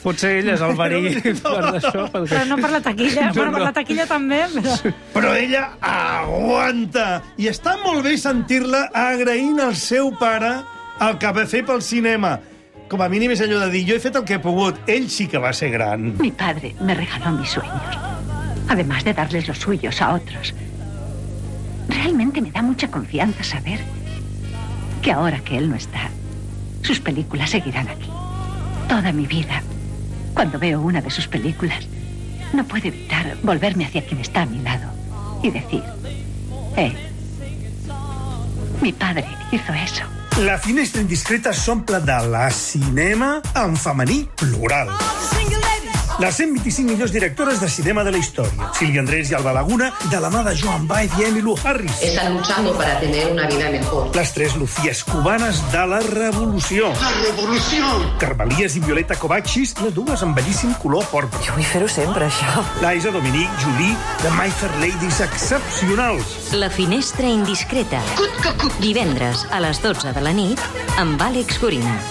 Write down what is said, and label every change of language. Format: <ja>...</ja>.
<ca>Potser ell és el verí per això. Perquè... Però no per la taquilla. No, bueno, no. Per la taquilla també. Però ella aguanta. I està molt bé sentir-la agraint al seu pare el que va fer pel cinema. Com a mínim és allò de dir, jo he fet el que he pogut. Ell sí que va ser gran.</ca> <es>Mi padre me regaló mis sueños. Además de darles los suyos a otros. Realmente me da mucha confianza saber que ahora que él no está, sus películas seguirán aquí. Toda mi vida, cuando veo una de sus películas, no puedo evitar volverme hacia quien está a mi lado y decir, él, mi padre hizo eso.</es> <ca>La Finestra Indiscreta s'omple de La Cinema en femení plural. Les 125 millors directores de cinema de la història. Sílvia Andrés i Alba Laguna, de la mà de Joan Baez i Emily Lou Harris.</ca> <es>Están luchando para tener una vida mejor.</es> <ca>Les tres Lucías cubanes de la revolució. La revolució! Carvalhies i Violeta Kovacsis, les dues amb bellíssim color porpra. Jo vull fer-ho sempre, això. Laisa Dominic, Julie, de My Fair Ladies, excepcionals. La finestra indiscreta. Cut que cut. Divendres a les 12 de la nit, amb Àlex Gorina.</ca>